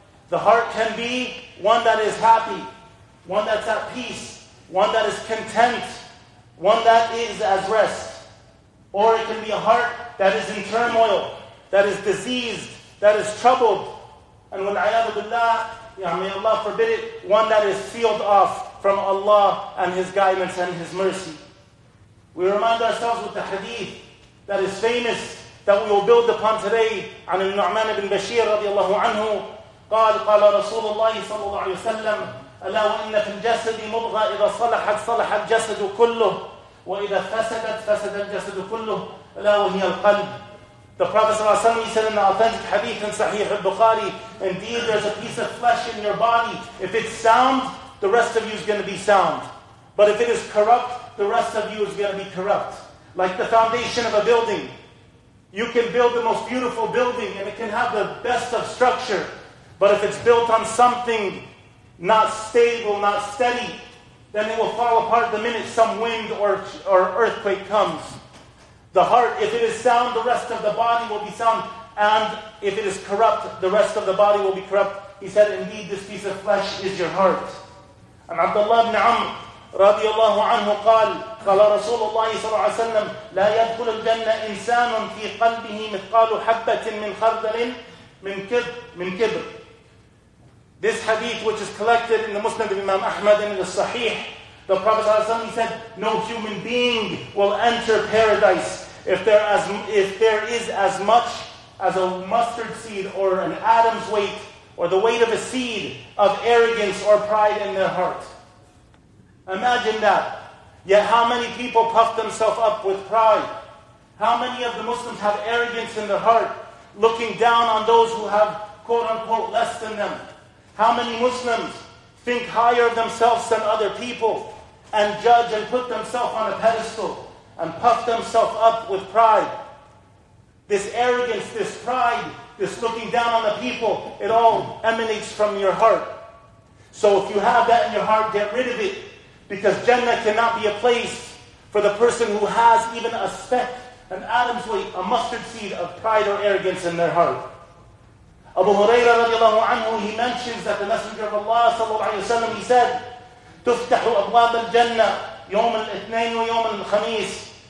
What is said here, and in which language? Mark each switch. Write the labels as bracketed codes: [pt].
[en] The heart can be one that is happy, one that's at peace, one that is content, one that is at rest. Or it can be a heart that is in turmoil, that is diseased, that is troubled. And wal'ayadu billah, may Allah forbid it, one that is sealed off from Allah and His guidance and His mercy. We remind ourselves with the hadith that is famous, that we will build upon today, [ar] عن النعمان بن بشير رضي الله عنه قال قال رسول الله صلى الله عليه وسلم ألا وإن في الجسد مضغة إذا صلحت صلح الجسد كله وإذا فسدت فسد الجسد كله ألا وهي القلب. [en] The Prophet صلى الله عليه وسلم said in the authentic hadith in Sahih al-Bukhari, indeed there's a piece of flesh in your body. If it's sound, the rest of you is going to be sound. But if it is corrupt, the rest of you is going to be corrupt. Like the foundation of a building. You can build the most beautiful building and it can have the best of structure. But if it's built on something not stable, not steady, then it will fall apart the minute some wind or earthquake comes. The heart, if it is sound, the rest of the body will be sound. And if it is corrupt, the rest of the body will be corrupt. He said, indeed, this piece of flesh is your heart. [ar] And Abdullah ibn Amr رضي الله عنه قال قال رسول الله صلى الله عليه وسلم لا يدخل الجنة إنسان في قلبه مثقال حبة من خردل من كبر. [en] This hadith, which is collected in the Musnad of Imam Ahmad and in the Sahih, the Prophet ﷺ said, no human being will enter paradise if there is as much as a mustard seed or an atom's weight or the weight of a seed of arrogance or pride in their heart. Imagine that. Yet how many people puff themselves up with pride? How many of the Muslims have arrogance in their heart, looking down on those who have, quote-unquote, less than them? How many Muslims think higher of themselves than other people and judge and put themselves on a pedestal and puff themselves up with pride? This arrogance, this pride, this looking down on the people, it all emanates from your heart. So if you have that in your heart, get rid of it. Because Jannah cannot be a place for the person who has even a speck an atom's weight, a mustard seed of pride or arrogance in their heart. Abu Huraira radiallahu anhu, he mentions that the Messenger of Allah sallallahu alayhi wa sallam, he said, [ar] تُفْتَحُ أَبْوَابَ الْجَنَّةِ يَوْمَ الْإِثْنَيْنِ وَيَوْمَ الْخَمِيسِ